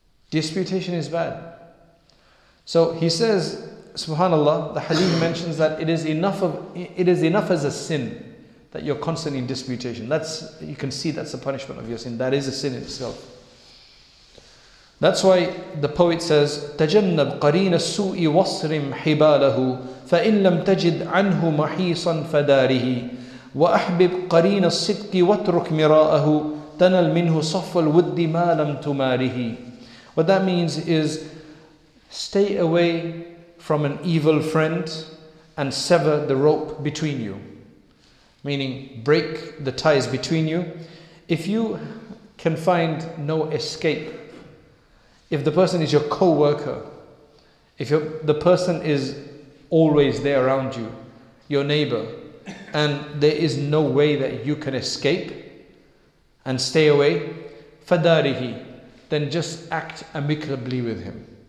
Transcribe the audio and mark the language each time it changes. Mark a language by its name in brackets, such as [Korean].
[English] Disputation is bad. So, he says, subhanAllah, the hadith mentions that it is enough as a sin. That you're constantly in disputation. You can see that's a punishment of your sin. That is a sin itself. That's why the poet says, [Arabic] تَجَنَّبْ قَرِينَ السُّوءِ وَصْرِمْ حِبَالَهُ فَإِنْ لَمْ تَجِدْ عَنْهُ مَحِيصًا فَدَارِهِ وَأَحْبِبْ قَرِينَ الصِّدْقِ وَاتْرُكْ مِرَاءَهُ تَنَلْ مِنْهُ صَفَّ الْوُدِّ مَا لَمْ تُمَارِهِ. [English] What that means is, stay away from an evil friend and sever the rope between you. Meaning, break the ties between you. If you can find no escape, if the person is your co-worker, if the person is always there around you, your neighbor, and there is no way that you can escape and stay away, فَدَارِهِ, then just act amicably with him.